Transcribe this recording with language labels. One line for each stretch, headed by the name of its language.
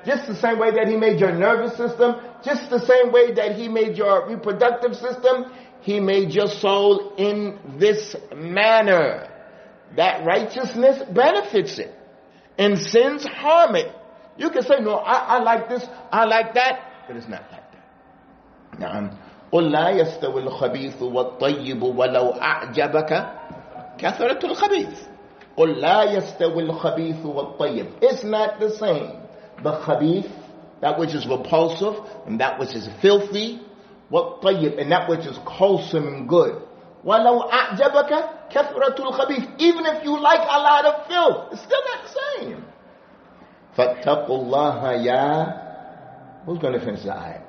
English: Just the same way that he made your nervous system. Just the same way that he made your reproductive system. He made your soul in this manner. That righteousness benefits it. And sins harm it. You can say, no, I like this, I like that, but it's not like that.
Arabic: نعم. قُلْ لَا يَسْتَوِي الْخَبِيثُ وَالطَّيِّبُ وَلَوْ أَعْجَبَكَ كَثْرَةُ الْخَبِيثُ قُلْ لَا يَسْتَوِي الْخَبِيثُ وَالطَّيِّبُ
English: It's not the same. The khabith, that which is repulsive, and that which is filthy,
Arabic: وَالطَّيِّبُ,
English: and that which is wholesome and good.
Arabic: وَلَوْ أَعْجَبَكَ كَثْرَةُ الْخَبِيثُ
English: Even if you like a lot of filth, it's still not the same.
Arabic: فَاتَّقُوا اللَّهَ يَا
English: Who's going to finish the ayah?